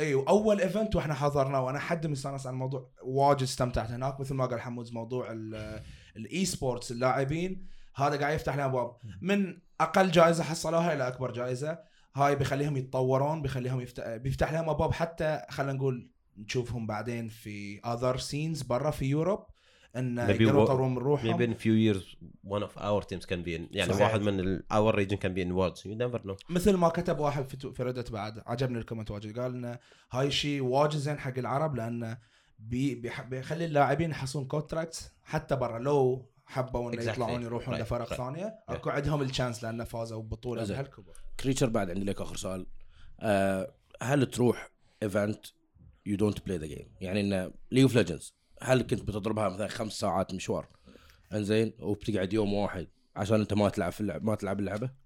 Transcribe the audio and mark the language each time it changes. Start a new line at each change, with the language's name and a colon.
Arabic: أيوة أول إيفنت وإحنا حضرنا وأنا حد مستانس عن الموضوع واجد استمتعت هناك مثل ما قال حمود موضوع الإي سبورتس اللاعبين هذا قاعد يفتح لنا أبواب من أقل جائزة حصلوها إلى أكبر جائزة هاي بخليهم يتطورون بخليهم بيفتح لهم أبواب حتى خلنا نقول نشوفهم بعدين في
English: other scenes
Arabic: برا في يوروب. ان
English: maybe
Arabic: يقدروا يطوروا من روحهم
English: maybe in few years one of our teams can be in
Arabic: يعني صحيح. واحد من
English: our region can be in worlds you never know.
Arabic: مثل ما كتب واحد في ردت بعد عجبني الكومنت واجد قال لنا هاي شيء واجد زين حق العرب لان بيخلي اللاعبين يحصلون كونتراكتس حتى برا لو حبوا انه
English: exactly.
Arabic: يطلعون يروحون
English: right.
Arabic: لفرق right. ثانيه
English: yeah.
Arabic: اكو عندهم الشانس لان فازوا ببطوله بهالكبر. كريتشر بعد عندي لك اخر سؤال هل تروح ايفنت يو دونت بلاي ذا جيم يعني ان ليج اوف ليجندز هل كنت بتضربها مثلا 5 ساعات مشوار انزين وبتقعد يوم واحد عشان انت ما تلعب اللعبه